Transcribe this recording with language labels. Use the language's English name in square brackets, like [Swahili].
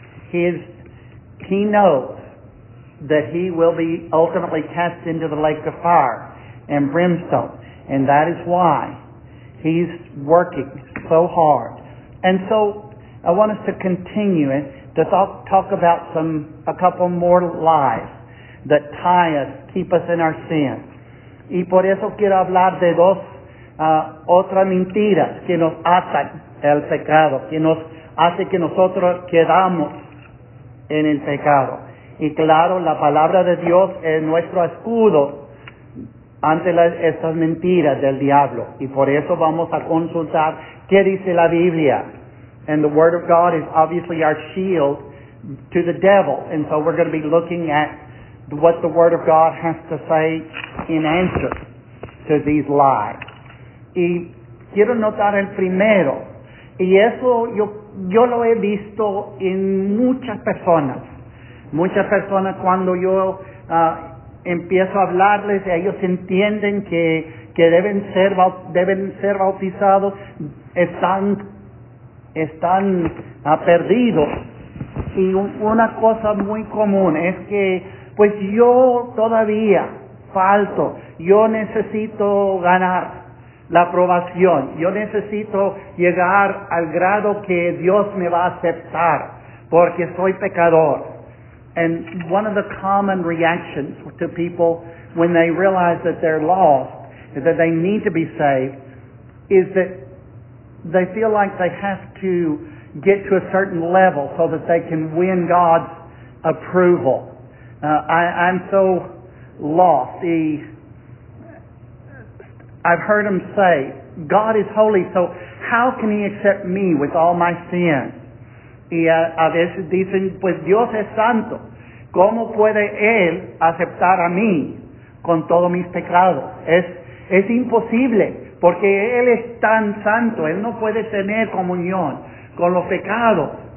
[English] He knows that he will be ultimately cast into the lake of fire and brimstone. And that is why he's working so hard. And so I want us to continue to talk about a couple more lies that tie us, keep us in our sin. [Spanish] Y por eso quiero hablar de dos otras mentiras que nos atan al pecado, que nos hace que nosotros quedamos en el pecado. Y claro, la palabra de Dios es nuestro escudo ante estas mentiras del diablo. Y por eso vamos a consultar qué dice la Biblia. [English] And the Word of God is obviously our shield to the devil. And so we're going to be looking at what the Word of God has to say in answer to these lies. [Spanish] Y quiero notar el primero. Y eso yo lo he visto en muchas personas. Muchas personas cuando yo empiezo a hablarles, ellos entienden que deben ser bautizados, están perdidos. Y una cosa muy común es que, pues yo todavía falto, yo necesito ganar la aprobación, yo necesito llegar al grado que Dios me va a aceptar, porque soy pecador. [English] And one of the common reactions to people when they realize that they're lost, that they need to be saved, is that they feel like they have to get to a certain level so that they can win God's approval. I'm so lost. I've heard him say, God is holy, so how can he accept me with all my sin? [Spanish] Y a veces dicen, pues Dios es santo. ¿Cómo puede él aceptar a mí con todos mis pecados? Es imposible, porque él es tan santo. Él no puede tener comunión con los pecados.